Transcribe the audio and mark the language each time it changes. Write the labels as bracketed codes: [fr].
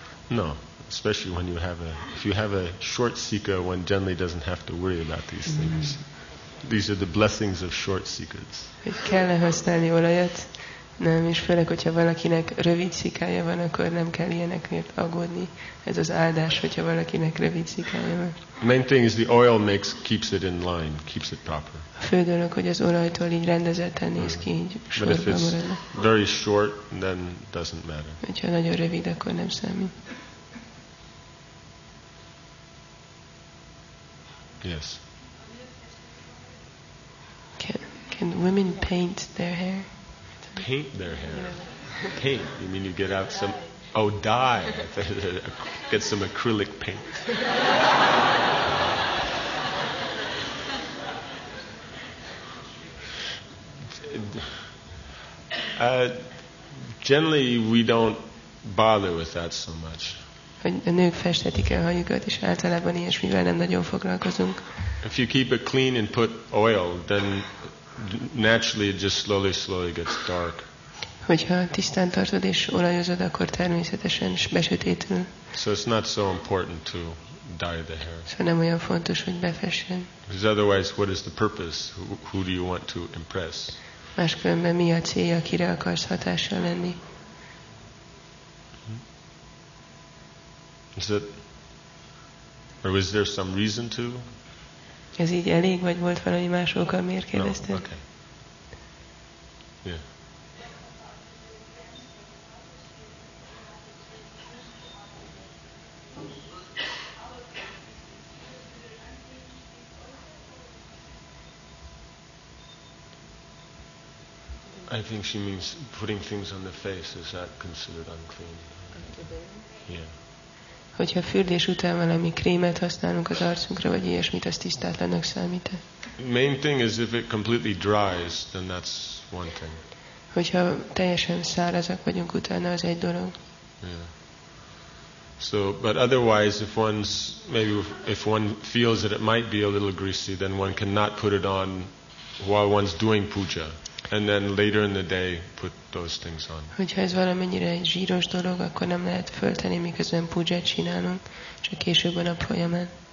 [en] No. Especially when if you have a short sikha, one generally doesn't have to worry about these things. These are the blessings of short sikhas. [hu] Kell-e használni olajat? Nem, és főleg, hogyha valakinek rövid szikája van, akkor nem kell ilyenekért aggódni. Ez az áldás, hogyha valakinek rövid szikája van. [en] Main thing is the oil keeps it in line, keeps it proper. [hu] A fő dolog, hogy az olajtól így rendezetten néz ki, így sorban marad. [en] Very short, then doesn't matter. [hu] Hogyha nagyon rövid, akkor nem számít. [en] Yes. Can women paint their hair? Paint their hair? Yeah. Paint? You mean you get out some... Oh, dye. Get some acrylic paint. Generally, we don't bother with that so much. [hu] Hogy a nők festetik el hajukat, és általában ilyesmivel nem nagyon foglalkozunk. [en] If you keep it clean and put oil, then naturally it just slowly, slowly gets dark. [hu] Hogyha tisztán tartod és olajozod, akkor természetesen besötétül. [en] So it's not so important to dye the hair. [hu] Szóval nem olyan fontos, hogy befessen. [en] Because otherwise, what is the purpose? Who do you want to impress? [hu] Máskülönben mi a célja, kire akarsz hatással lenni? [en] Is it, or was there some reason to? [hu] Ez így elég, vagy volt valami más oka, miért kérdezted? [en] No, okay. Yeah. I think she means putting things on the face. Is that considered unclean? Yeah. [hu] Hogyha fürdés után valami krémet használunk az arcunkra, vagy ilyesmit, az tisztátlannak számít-e? [en] Main thing is if it completely dries, then that's one thing. [hu] Hogyha teljesen szárazak vagyunk utána, az egy dolog. [en] Yeah. So, but otherwise, if one's maybe if one feels that it might be a little greasy, then one cannot put it on while one's doing puja. And then later in the day, put those things on. [hu] Hogyha ez valamennyire egy zsíros dolog, akkor nem lehet fölteni, miközben pudzsát csinálunk, csak később a nap folyamán.